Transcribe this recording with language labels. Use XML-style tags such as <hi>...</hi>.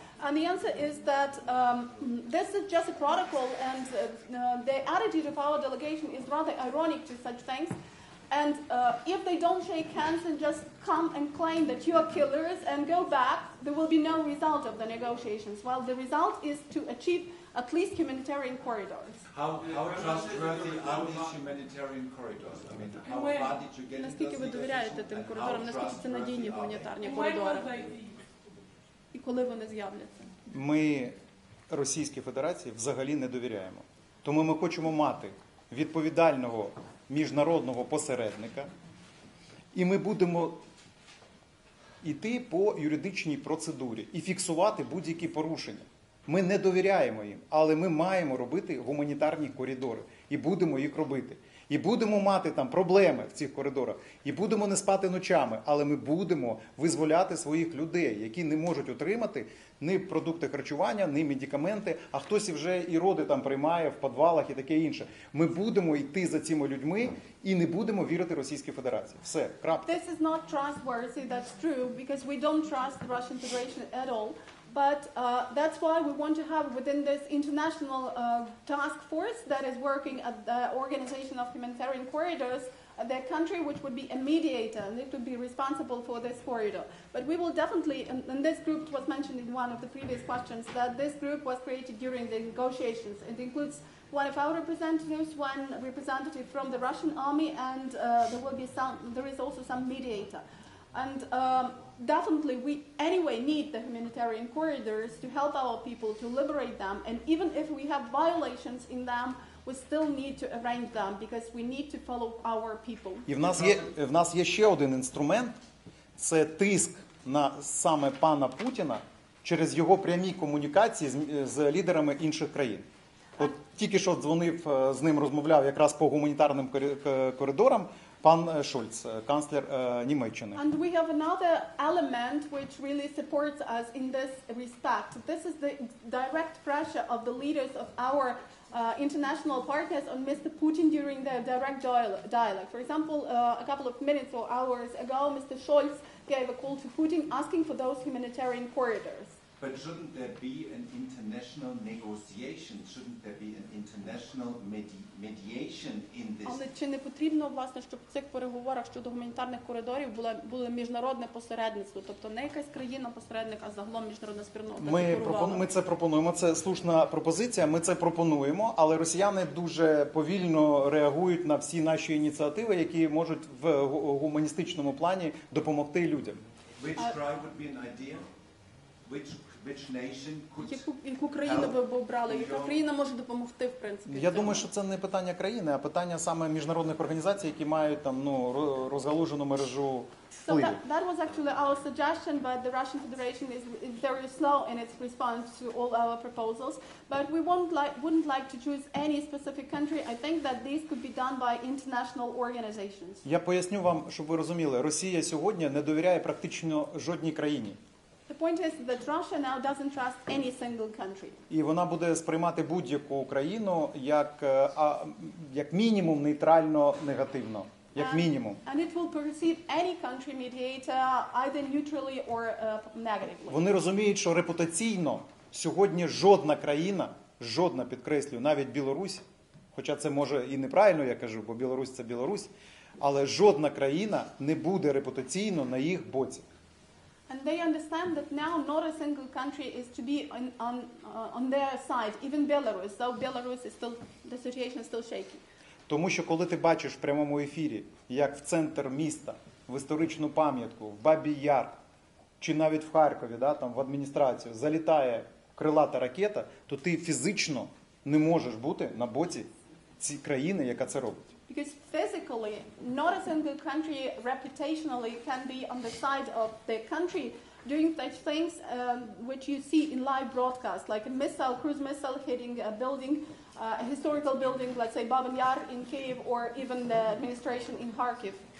<en>And the answer is that this is just a protocol and the attitude of our delegation is rather ironic to such things. And if they don't shake hands and just come and claim that you are killers and go back, there will be no result of the negotiations. Well, the result is to achieve at least humanitarian corridors. How trustworthy are these humanitarian corridors? I mean, how far did you get?</en> <uk>Наскільки ви довіряєте тим коридорам? Наскільки це надійні гуманітарні коридори? І коли вони з'являться? Ми Російській Федерації взагалі не довіряємо. Тому ми хочемо мати відповідального міжнародного посередника. І ми будемо іти по юридичній процедурі і фіксувати будь-які порушення. Ми не довіряємо їм, але ми маємо робити гуманітарні коридори і будемо їх робити. І будемо мати там проблеми в цих коридорах, і будемо не спати ночами, але ми будемо визволяти своїх людей, які не можуть отримати ні продукти харчування, ні медикаменти, а хтось вже і роди там приймає в підвалах і таке інше. Ми будемо йти за цими людьми і не будемо вірити Російській Федерації. Все, крапка.</uk> <en>This is not trustworthy, that's true, because we don't trust the Russian Federation at all. But that's why we want to have within this international task force that is working at the Organization of Humanitarian Corridors, the country which would be a mediator and it would be responsible for this corridor. But we will definitely, and this group was mentioned in one of the previous questions, that this group was created during the negotiations. It includes one of our representatives, one representative from the Russian army, and there will be some. There is also some mediator. And definitely, we anyway need the humanitarian corridors to help our people, to liberate them. And even if we have violations in them, we still need to arrange them because we need to follow our people.</en> <uk>І в нас є ще один інструмент. Це тиск на саме пана Путіна через його прямі комунікації з лідерами інших країн. От тільки що дзвонив, з ним розмовляв якраз по гуманітарним коридорам. Пан Шульц, канцлер Німеччини.</uk> <en>And we have another element which really supports us in this respect. This is the direct pressure of the leaders of our international partners on Mr. Putin during their direct dialogue. For example, a couple of minutes or hours ago, Mr. Scholz gave a call to Putin asking for those humanitarian corridors. But shouldn't there be an international negotiation? Shouldn't there be an international mediation in this?</en> <uk>Але чи не потрібно, власне, щоб в цих переговорах щодо гуманітарних коридорів було міжнародне посередництво? Тобто не якась країна-посередник, а загалом міжнародна спільнота? Ми це пропонуємо, це слушна пропозиція, ми це пропонуємо, але росіяни дуже повільно реагують на всі наші ініціативи, які можуть в гуманістичному плані допомогти людям.</uk> <en>Which tribe would be an idea? Which nation could</en> <uk>яку країну ви б обрали? Яка країна може допомогти, в принципі? Я думаю, що це не питання країни, а питання саме міжнародних організацій, які мають там, ну, розгалужену мережу впливу.</uk> <en>That was actually our suggestion, but the Russian Federation is very slow in its response to all our proposals. But we wouldn't like to choose any specific country. I think that this could be done by international organizations.</en> <uk>Я поясню вам, щоб ви розуміли. Росія сьогодні не довіряє практично жодній країні.</uk> <en>The point is that Russia now doesn't trust any single country.</en> <uk>І вона буде сприймати будь-яку країну як мінімум нейтрально негативно, як мінімум.</uk> <en>And it will perceive any country mediator either neutrally or negatively.</en> <uk>Вони розуміють, що репутаційно сьогодні жодна країна, жодна, підкреслюю, навіть Білорусь, хоча це може і неправильно, я кажу, бо Білорусь це Білорусь, але жодна країна не буде репутаційно на їх боці.</uk> <en>And they understand that now not a single country is to be on their side, even Belarus, though Belarus is still, the situation is still shaky.</en> <uk>Тому що коли ти бачиш в прямому ефірі, як в центр міста, в історичну пам'ятку, в Бабій Яр, чи навіть в Харкові, да, там в адміністрацію, залітає крилата ракета, то ти фізично не можеш бути на боці цієї країни, яка це робить.</uk> <en>Because physically, not a single country reputationally can be on the side of the country doing such things which you see in live broadcast, like a missile, cruise missile hitting a building, a historical building, let's say Бабин Яр in Kyiv, or even the administration in Kharkiv.</en>